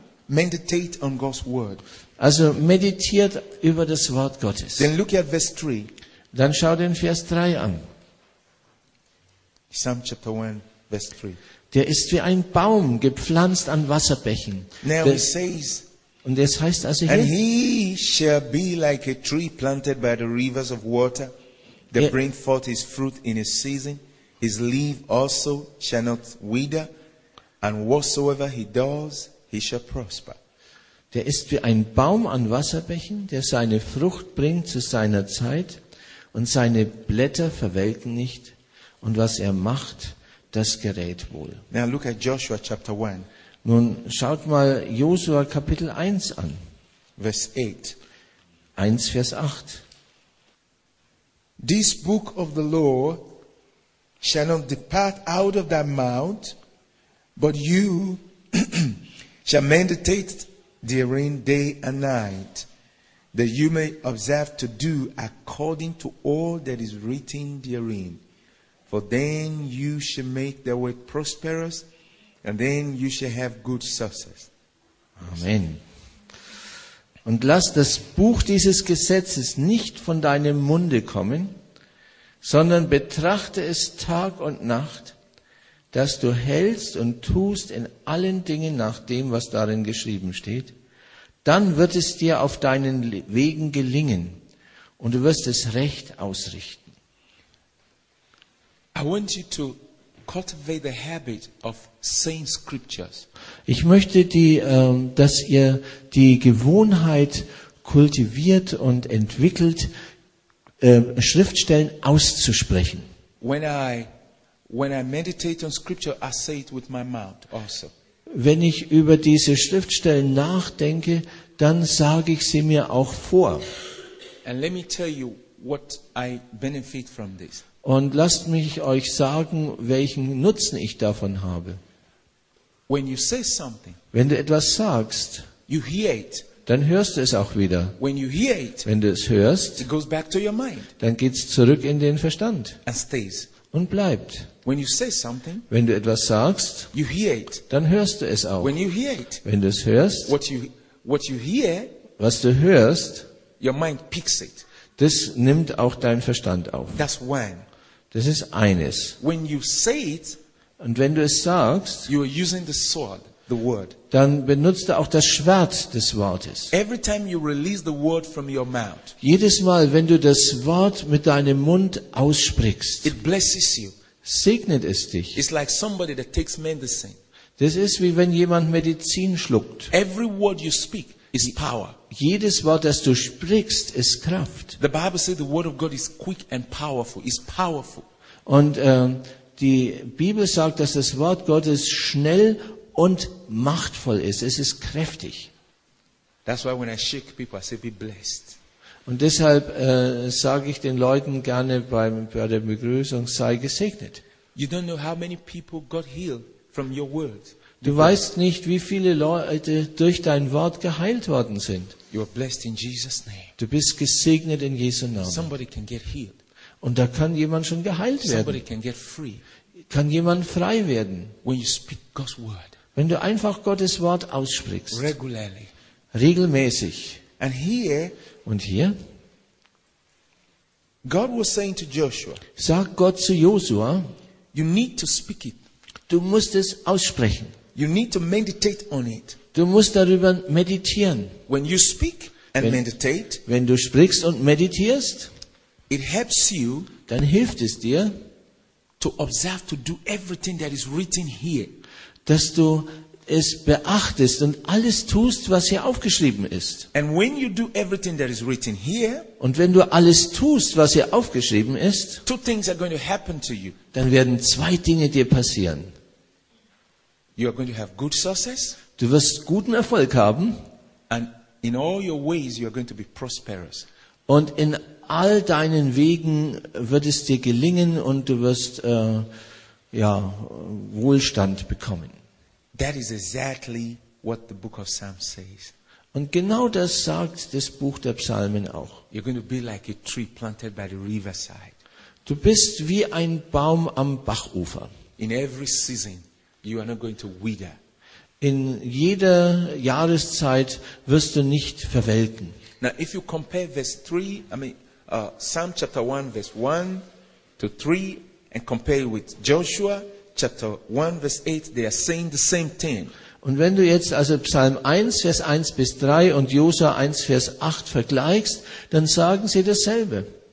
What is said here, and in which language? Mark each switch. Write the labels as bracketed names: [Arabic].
[English] Meditate on God's word. [German] Also meditiert über das Wort Gottes. [English] Then look at verse 3. [German] Dann schau den Vers 3 an. [English] Psalm chapter 1, verse 3. [German] Der ist wie ein Baum gepflanzt an Wasserbächen. [English] Now [German] der, [English] it says, [German] und es heißt also hier, [English] and he shall be like a tree planted by the rivers of water that bring forth his fruit in his season. His leaf also shall not wither, and whatsoever he does, he shall prosper. [German] Der ist wie ein Baum an Wasserbächen, der seine Frucht bringt zu seiner Zeit, und seine Blätter verwelken nicht, und was er macht, das gerät wohl. [English] Now look at Joshua chapter 1. [German] Nun schaut mal Josua Kapitel 1 an. [English] Verse 8. [German] 1 Vers 8. [English] This book of the law shall not depart out of thy mouth, but you shall meditate therein day and night, that you may observe to do according to all that is written therein. For then you shall make the way prosperous, and then you shall have good success. Amen. [German] Und lass das Buch dieses Gesetzes nicht von deinem Munde kommen, sondern betrachte es Tag und Nacht, dass du hältst und tust in allen Dingen nach dem, was darin geschrieben steht, dann wird es dir auf deinen Wegen gelingen und du wirst es recht ausrichten. [English] I want you to cultivate the habit of saying scriptures. [German] Ich möchte, dass ihr die Gewohnheit kultiviert und entwickelt, Schriftstellen auszusprechen. [English] When I meditate on scripture, I say it with my mouth also. [German] Wenn ich über diese Schriftstellen nachdenke, dann sage ich sie mir auch vor. [English] And let me tell you what I benefit from this. [German] Und lasst mich euch sagen, welchen Nutzen ich davon habe. [English] When you say something, [German] wenn du etwas sagst, [English] you hear it. [German] Dann hörst du es auch wieder. [English] When you hear it, [German] wenn du es hörst, [English] it goes back to your mind. [German] Dann geht es zurück in den Verstand. [English] And stays. [German] Und bleibt. [English] When you say something, [German] wenn du etwas sagst, [English] you hear it. [German] Dann hörst du es auch. [English] When you hear it, [German] wenn du es hörst, [English] what you hear, [German] was du hörst, [English] your mind picks it. [German] Das nimmt auch dein Verstand auf. [English] That's one. [German] Das ist eines. [English] When you say it, [German] und wenn du es sagst, [English] you are using the sword, the word. [German] Dann benutzt du auch das Schwert des Wortes. [English] Every time you release the word from your mouth, [German] jedes Mal, wenn du das Wort mit deinem Mund aussprichst, [English] it blesses you. [German] Segnet es dich. [English] It's like somebody that takes medicine. [German] Das ist wie wenn jemand Medizin schluckt. [English] Every word you speak is power. [German] Jedes Wort, das du sprichst, ist Kraft. [English] The Bible says the word of God is quick and powerful. It's powerful. [German] Und die Bibel sagt, dass das Wort Gottes schnell und machtvoll ist. Es ist kräftig. [English] That's why when I shake people, I say be blessed. [German] Und deshalb sage ich den Leuten gerne bei der Begrüßung, sei gesegnet. [English] You don't know how many people got healed from your words. [German] Du weißt nicht, wie viele Leute durch dein Wort geheilt worden sind. [English] You are blessed in Jesus' name. [German] Du bist gesegnet in Jesu Namen. [English] Somebody can get healed. [German] Und da kann jemand schon geheilt werden. [English] Somebody can get free. [German] Kann jemand frei werden. [English] When you speak God's word. [German] Wenn du einfach Gottes Wort aussprichst. [English] Regularly. [German] Regelmäßig. [English] And here, [German] und hier [English] God was saying to Joshua, [German] sagt Gott zu Josua, [English] you need to speak it. [German] Du musst es aussprechen. [English] You need to meditate on it. [German] Du musst darüber meditieren. [English] When you speak and meditate, [German] wenn du sprichst und meditierst, [English] it helps you, [German] dann hilft es dir, [English] to observe, to do everything that is written here, [German] dass du es beachtest und alles tust, was hier aufgeschrieben ist. [English] And when you do everything that is written here, [German] und wenn du alles tust, was hier aufgeschrieben ist, [English] two things are going to happen to you. [German] Dann werden zwei Dinge dir passieren. [English] You are going to have good success. [German] Du wirst guten Erfolg haben. [English] And in all your ways you are going to be prosperous. [German] Und in all deinen Wegen wird es dir gelingen und du wirst Wohlstand bekommen. [English] That is exactly what the book of Psalms says. [German] Und genau das sagt das Buch der Psalmen auch. [English] You're going to be like a tree planted by the riverside. [German] Du bist wie ein Baum am Bachufer. [English] In every season you are not going to wither. [German] In jeder Jahreszeit wirst du nicht verwelken. [English] Now if you compare Psalm chapter 1 verse 1 to 3 and compare it with Joshua chapter 1 verse 8, they are saying the same thing. [German] Und wenn du jetzt also Psalm 1 vers 1 bis 3 und Josua 1 vers 8 vergleichst, dann sagen sie dasselbe.